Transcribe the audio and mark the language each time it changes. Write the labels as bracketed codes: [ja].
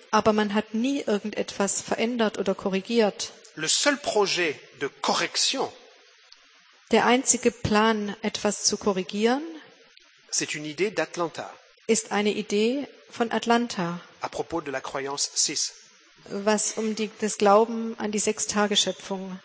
[de] Aber man hat nie irgendetwas verändert oder korrigiert. [fr] Le seul projet de correction, [de] der einzige Plan, etwas zu korrigieren, [fr] c'est une idée d'Atlanta, [de] ist eine Idee von Atlanta. [fr] À propos de la croyance 6. [de] Was um das Glauben an die Sechstageschöpfung